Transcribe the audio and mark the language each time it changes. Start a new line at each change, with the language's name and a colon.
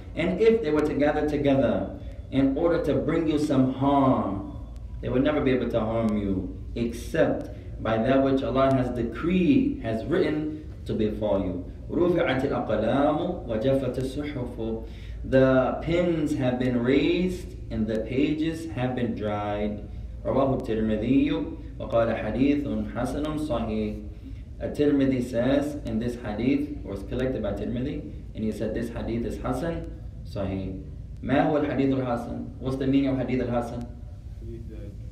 English: And if they were to gather together in order to bring you some harm, they would never be able to harm you except by that which Allah has decreed, has written to befall you.
Arabic: رُفِعَتِ الْأَقْلَامُ وَجَفَّتِ الصُّحُفُ.
English: The pens have been raised and the pages have been dried.
Arabic: رواه الترمذي وقال حديث حسن صحيح.
English: الترمذي says in this hadith, or was collected by الترمذي, and he said this hadith is
Arabic: حسن صحيح. ما هو الحديث الحسن?
English: What's the meaning of hadith الحسن?